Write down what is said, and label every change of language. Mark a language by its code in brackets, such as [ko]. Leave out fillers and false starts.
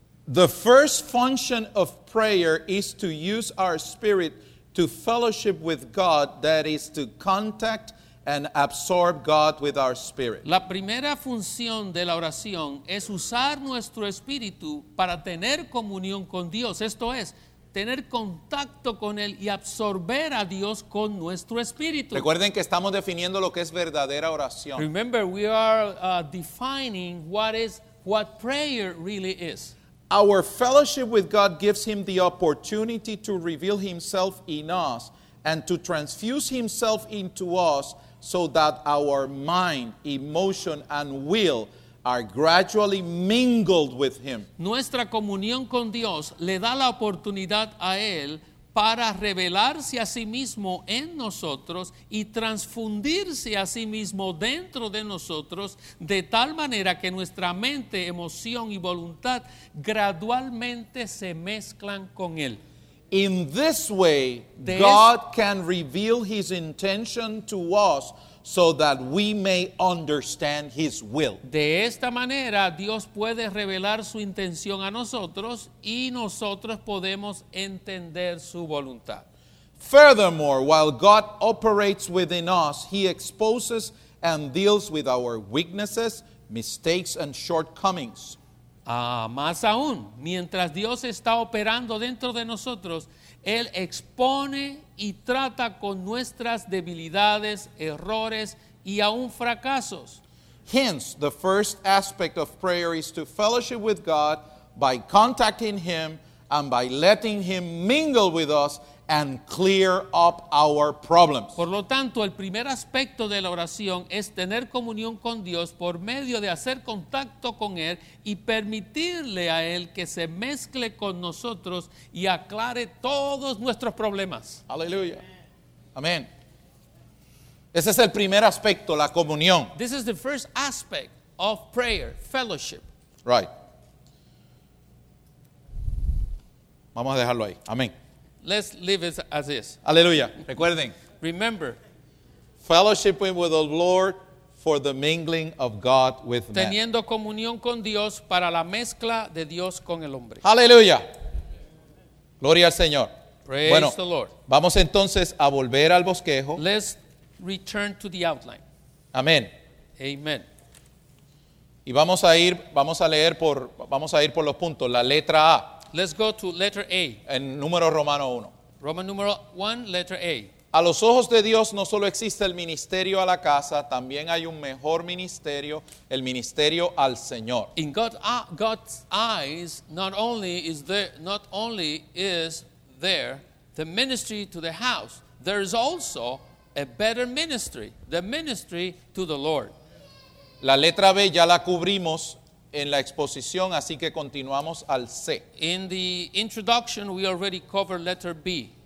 [en] The first function of prayer is to use our spirit to fellowship with God, that is to contact and absorb God with our spirit. [es] La primera función de la oración es usar nuestro espíritu para tener comunión con Dios. Esto es, tener contacto con Él y absorber a Dios con nuestro espíritu. Recuerden que estamos definiendo lo que es verdadera oración. [en] Remember, we are defining what prayer really is. Our fellowship with God gives Him the opportunity to reveal Himself in us and to transfuse Himself into us so that our mind, emotion, and will are gradually mingled with Him. [es] Nuestra comunión con Dios le da la oportunidad a Él para revelarse a sí mismo en nosotros y transfundirse a sí mismo dentro de nosotros de tal manera que nuestra mente, emoción y voluntad gradualmente se mezclan con Él. [en] In this way, God can reveal His intention to us so that we may understand His will. [es] De esta manera, Dios puede revelar su intención a nosotros y nosotros podemos entender su voluntad. [en] Furthermore, while God operates within us, He exposes and deals with our weaknesses, mistakes, and shortcomings. [es] Más aún, mientras Dios está operando dentro de nosotros, Él expone y trata con nuestras debilidades, errores y aún fracasos. [en] Hence, the first aspect of prayer is to fellowship with God by contacting Him and by letting Him mingle with us and clear up our problems. [es] Por lo tanto, el primer aspecto de la oración es tener comunión con Dios por medio de hacer contacto con Él y permitirle a Él que se mezcle con nosotros y aclare todos nuestros problemas. Aleluya. Amén. Ese es el primer aspecto, la comunión. [en] This is the first aspect of prayer, fellowship. Right. [es] Vamos a dejarlo ahí. Amén. [en] Let's leave it as is. [es] Aleluya. Recuerden. [en] Remember. Fellowshiping with the Lord for the mingling of God with man. [es] Teniendo comunión con Dios para la mezcla de Dios con el hombre. Aleluya. Gloria al Señor. [en] Praise [es] bueno, [en] the Lord. [es] Vamos entonces a volver al bosquejo. [en] Let's return to the outline. [es] Amén. [en] Amen. [es] Y vamos a ir por los puntos. La letra A. [en] Let's go to letter A. [es] En número Romano 1. [en] Roman número 1, letter A. [es] A los ojos de Dios no solo existe el ministerio a la casa, también hay un mejor ministerio, el ministerio al Señor. [en] In God's eyes, not only is there the ministry to the house, there is also a better ministry, the ministry to the Lord. [es] La letra B ya la cubrimos en la exposición, así que continuamos al C. [en] In the introduction, we already covered letter B.